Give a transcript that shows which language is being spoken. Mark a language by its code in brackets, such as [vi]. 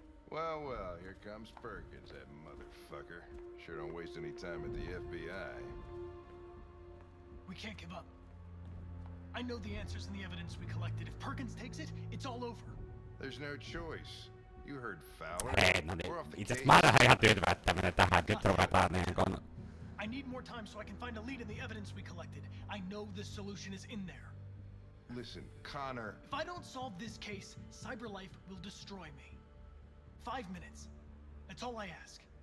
[en] Well, well, here comes Perkins, that motherfucker. Sure don't waste any time at the FBI. We can't give up. I know the answers and the evidence we collected. If Perkins takes it, it's all over. There's no choice. You heard Fowler. [fi] Hei, no niin. Itse asiassa mä olen ihan tyytyvä, että menee tähän. Nyt ruvetaan niin kuin... [en] I need more time so I can find a lead in the evidence we collected. I know the solution is in there. Listen, Connor... If I don't solve this case, Cyberlife will destroy me. 5 minutes. That's all I ask.